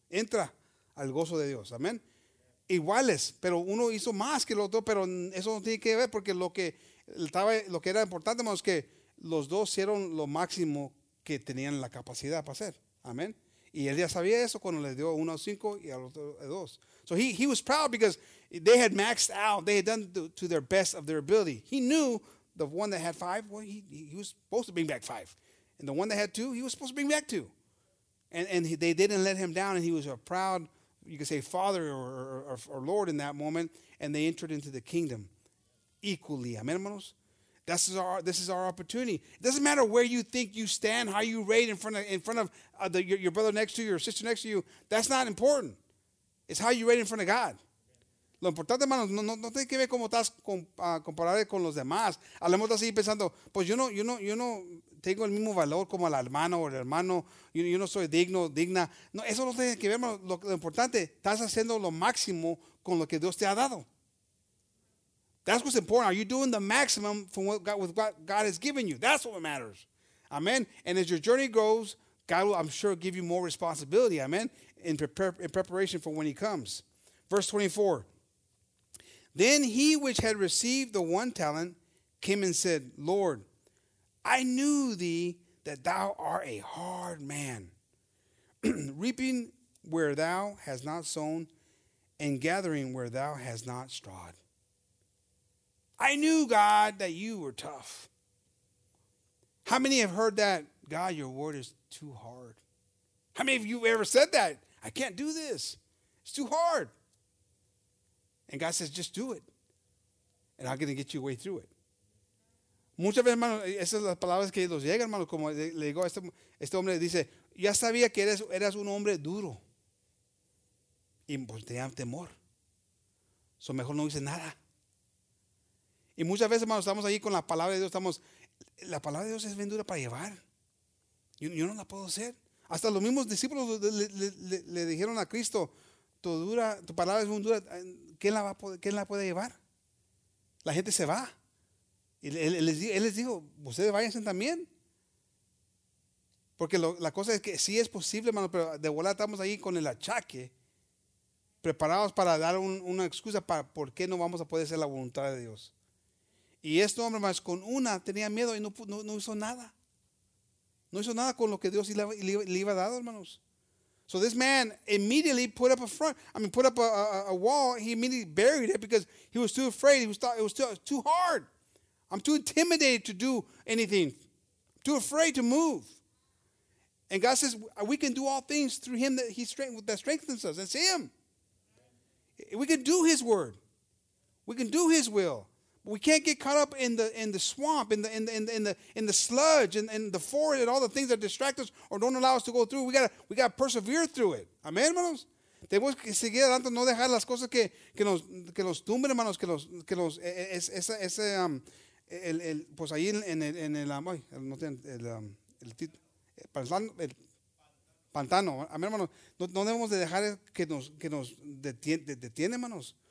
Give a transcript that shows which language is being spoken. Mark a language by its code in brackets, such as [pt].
[es] Entra al gozo de Dios, amén. Iguales, pero uno hizo más que el otro, pero eso no tiene que ver porque lo que era importante, hermanos, que los dos hicieron lo máximo que tenían la capacidad para hacer, amén. Y él ya sabía eso cuando les dio uno a 5 y al otro a 2. [en] So he was proud because they had maxed out, they had done to their best of their ability. He knew the one that had 5, well, he was supposed to bring back 5. And the one that had 2, he was supposed to bring back 2. And they didn't let him down, and he was a proud, you could say, father or lord in that moment, and they entered into the kingdom equally. Amen, hermanos? This is our opportunity. It doesn't matter where you think you stand, how you rate in front of your brother next to you, your sister next to you. That's not important. It's how you rate in front of God. [es] Lo importante, hermanos, no tiene que ver cómo estás comparado con los demás. A lo mejor estás ahí pensando, pues yo no tengo el mismo valor como la hermana o el hermano. Yo no soy digno, digna. No, eso no tiene que ver, hermanos. Lo importante, estás haciendo lo máximo con lo que Dios te ha dado. [en] That's what's important. Are you doing the maximum with what God has given you? That's what matters. Amen. And as your journey grows, God will, I'm sure, give you more responsibility. Amen. In preparation for when he comes. Verse 24. Then he which had received the 1 talent came and said, Lord, I knew thee that thou art a hard man, reaping where thou hast not sown and gathering where thou hast not strawed. I knew, God, that you were tough. How many have heard that? God, your word is too hard. How many of you ever said that? I can't do this. It's too hard. And God says, just do it. And I'm going to get you way through it. [es] Muchas veces, hermano, esas son las palabras que nos llegan, hermano. Como le digo a este hombre, dice, ya sabía que eras un hombre duro. Y pues tenía temor. So mejor no dice nada. Y muchas veces, hermano, estamos ahí con la palabra de Dios. Estamos, la palabra de Dios es bien dura para llevar. Yo no la puedo hacer. Hasta los mismos discípulos le dijeron a Cristo, tu palabra es muy dura, ¿quién la puede llevar? La gente se va. Y él les dijo, ustedes váyanse también. Porque la cosa es que sí es posible, hermano, pero de volar estamos ahí con el achaque, preparados para dar una excusa para por qué no vamos a poder hacer la voluntad de Dios. Y este hombre más con una tenía miedo y no hizo nada. No hizo nada con lo que Dios le iba a dar, hermanos. [en] So this man immediately put up a wall. He immediately buried it because he was too afraid. He thought it was too hard. I'm too intimidated to do anything. I'm too afraid to move. And God says, we can do all things through him that strengthens us. That's him. We can do his word. We can do his will. We can't get caught up in the swamp, in the sludge, in the forest, and all the things that distract us or don't allow us to go through. We gotta persevere through it. Amen, hermanos. [es] Tenemos que seguir adelante, no dejar las cosas que nos tumben, hermanos, que nos ese el pues ahí en el ay, no tiene el título, el pantano. Amén, hermanos. No debemos de dejar que nos detiene, hermanos.